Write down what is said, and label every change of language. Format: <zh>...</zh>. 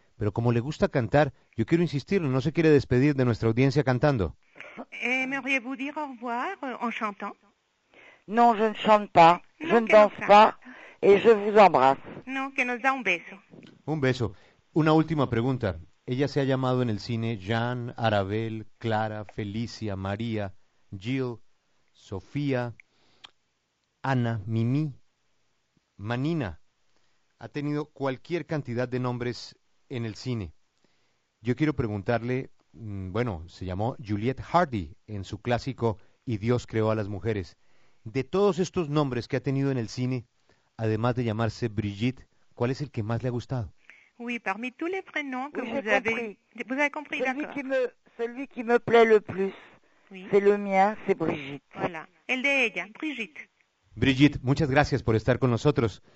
<es>Pero como le gusta cantar, yo quiero insistir, no se quiere despedir de nuestra audiencia cantando.</es> <fr>¿Aimeriez-vous dire au revoir en chantant? Non, je ne chante pas, je ne danse pas et je vous embrasse.</fr> <es>No, que nos da un beso. Un beso. Una última pregunta. Ella se ha llamado en el cine Jean, Arabel, Clara, Felicia, María, Jill, Sofía, Ana, Mimi, Manina. Ha tenido cualquier cantidad de nombres en el cine. Yo quiero preguntarle, bueno, se llamó Juliette Hardy en su clásico Y Dios creó a las mujeres. De todos estos nombres que ha tenido en el cine, además de llamarse Brigitte, ¿cuál es el que más le ha gustado?</es> <fr>Oui, parmi tous les prénoms que vous avez... Vous avez compris, celui d'accord. Celui qui me plaît le plus, oui. C'est le mien, c'est Brigitte.</fr> <es>Voilà, el de ella, Brigitte. Brigitte, muchas gracias por estar con nosotros.</es>